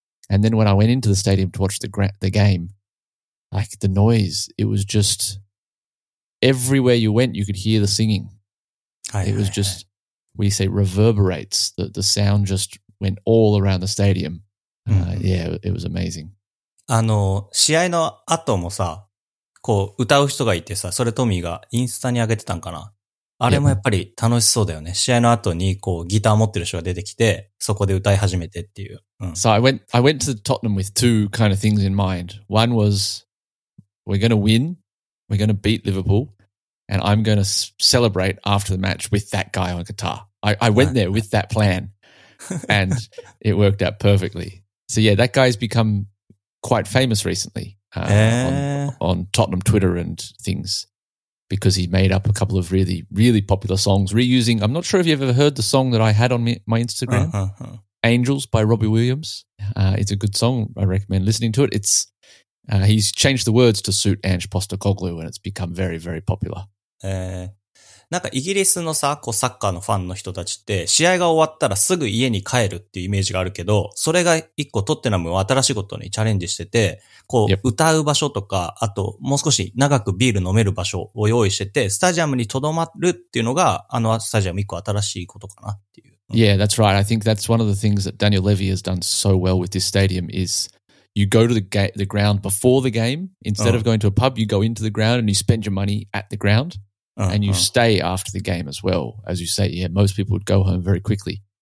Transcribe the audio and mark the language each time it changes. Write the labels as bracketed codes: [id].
[en] And then when I went into the stadium to watch the game, like the noise, it was just everywhere you went, you could hear the singing. [ja] はい、 [en] it was just, we say reverberates. The sound just went all around the stadium. Yeah, it was amazing. [ja] あの、試合の後もさ、こう歌う人がいてさ、それトミーがインスタに上げてたんかな。あれもやっぱり楽しそうだよね。試合の後にこうギター持ってる人が出てきて、そこで歌い始めてっていう。う [en] ん、so I went to the Tottenham with two kind of things in mind. One was we're gonna win, we're gonna beat Liverpool, and I'm gonna celebrate after the match with that guy on guitar. I went there with that plan, and it worked out perfectly. So yeah, that guy's become quite famous recently. On Tottenham Twitter and things because he made up a couple of really, really popular songs reusing. I'm not sure if you've ever heard the song that I had on my Instagram, Angels by Robbie Williams. It's a good song. I recommend listening to it. He's changed the words to suit Ange Postecoglou and it's become very, very popular. [ja] なんかイギリスのさ、こうサッカーのファンの人たちって、試合が終わったらすぐ家に帰るっていうイメージがあるけど、それが一個トッテナムを新しいことにチャレンジしてて、こう、歌う場所とか、あともう少し長くビール飲める場所を用意してて、スタジアムに留まるっていうのが、あのスタジアム一個新しいことかなっていう。 [en] Yeah, that's right. I think that's one of the things that Daniel Levy has done so well with this stadium is you go to the ground before the game. Instead of going to a pub, you go into the ground and you spend your money at the ground. And you stay after the game as well. As you say, yeah, most people would go home very quickly.